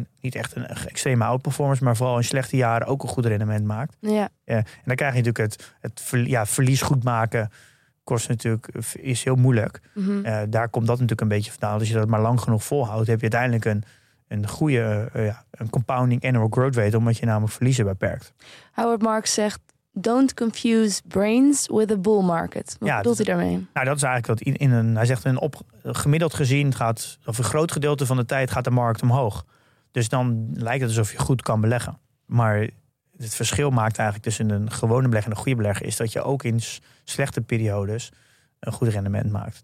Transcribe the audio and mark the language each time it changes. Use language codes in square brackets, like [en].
[nl] Niet echt een extreme outperformance, maar vooral in slechte jaren ook een goed rendement maakt. Ja. Ja, en dan krijg je natuurlijk het verlies goed maken. Kost natuurlijk, is heel moeilijk. Mm-hmm. Daar komt dat natuurlijk een beetje vandaan. Als je dat maar lang genoeg volhoudt, heb je uiteindelijk een goede een compounding annual growth rate, omdat je namelijk verliezen beperkt. Howard Marks zegt, [en] don't confuse brains with a bull market. [nl] Wat bedoelt hij daarmee? Nou, dat is eigenlijk dat gemiddeld gezien gaat, of een groot gedeelte van de tijd gaat de markt omhoog. Dus dan lijkt het alsof je goed kan beleggen. Maar het verschil maakt eigenlijk tussen een gewone belegger en een goede belegger is dat je ook in slechte periodes een goed rendement maakt.